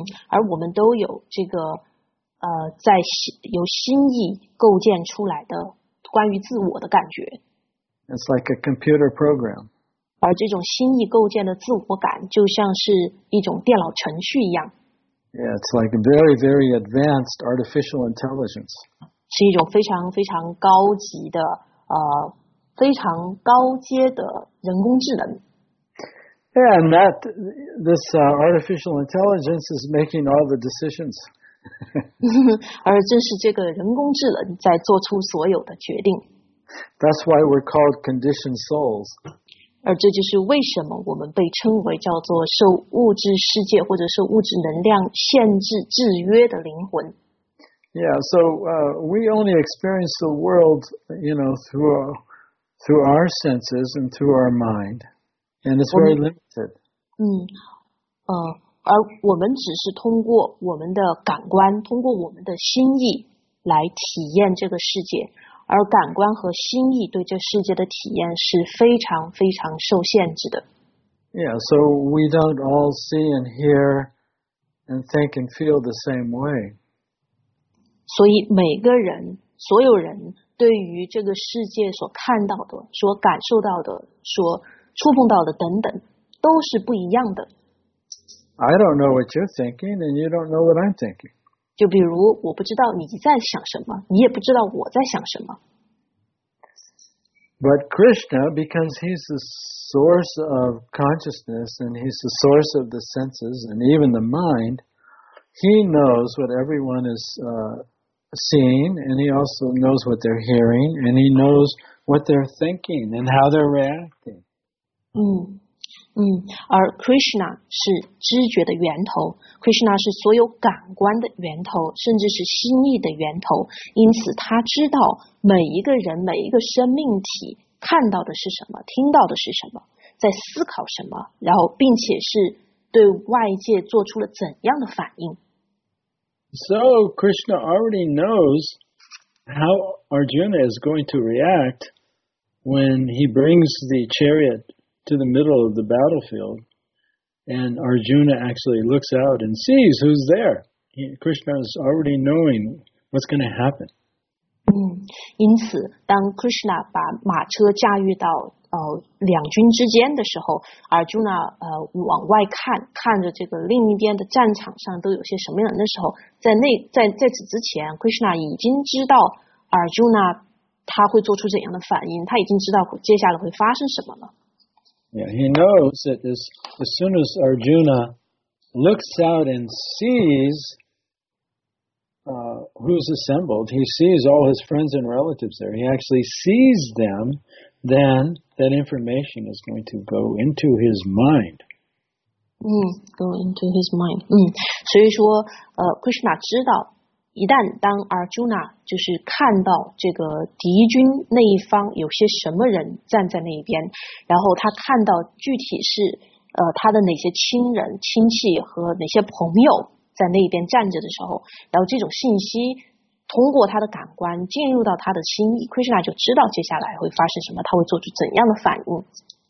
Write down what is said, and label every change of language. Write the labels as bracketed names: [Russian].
[Chinese] 而我们都有这个在由心意构建出来的关于自我的感觉。 [English] It's like a computer program. [Chinese] 而这种心意构建的自我感就像是一种电脑程序一样。 [English] Yeah, it's like a very, very advanced artificial intelligence. [Chinese] 是一种非常非常高级的非常高阶的人工智能。 [English] And that this artificial intelligence is making all the decisions. [Chinese] 而正是这个人工智能在做出所有的决定。 [English] That's why we're called conditioned souls. [Chinese] 而这就是为什么我们被称为叫做受物质世界或者受物质能量限制制约的灵魂。 [English] Yeah, so we only experience the world, you know, through our senses and through our mind. And it's very limited. [Chinese] 而我们只是通过我们的感官，通过我们的心意来体验这个世界。而感官和心意对这世界的体验是非常非常受限制的。 [English] Yeah, so we don't all see and hear and think and feel the same way. [Chinese] 所以每个人，所有人对于这个世界所看到的，所感受到的，所触碰到的等等，都是不一样的。 [English] I don't know what you're thinking, and you don't know what I'm thinking. [Chinese] 就比如我不知道你在想什么，你也不知道我在想什么。 [English] But Krishna, because he's the source of consciousness, and he's the source of the senses, and even the mind, he knows what everyone is seeing, and he also knows what they're hearing, and he knows what they're thinking, and how they're reacting. [Chinese] 而 Krishna 是知觉的源头， Krishna 是所有感官的源头，甚至是心意的源头，因此他知道每一个人，每一个生命体看到的是什么，听到的是什么，在思考什么，然后并且是对外界做出了怎样的反应。 [English] So Krishna already knows how Arjuna is going to react when he brings the chariot to the middle of the battlefield, and Arjuna actually looks out and sees who's there. Krishna is already knowing what's going to happen. [Chinese] 因此当 Krishna 把马车驾驭到两军之间的时候， Arjuna 往外看，看着这个另一边的战场上都有些什么人的时候，在此之前 Krishna 已经知道 Arjuna 他会做出怎样的反应，他已经知道接下来会发生什么了。 [English] Yeah, he knows that as soon as Arjuna looks out and sees who's assembled, he sees all his friends and relatives there. He actually sees them, then that information is going to go into his mind. Go into his mind. [Chinese] 所以说Krishna 知道一旦当 Arjuna 就是看到这个敌军那一方有些什么人站在那一边，然后他看到具体是他的哪些亲人亲戚和哪些朋友在那边站着的时候，然后这种信息通过他的感官进入到他的心意， Krishna 就知道接下来会发生什么，他会做出怎样的反应。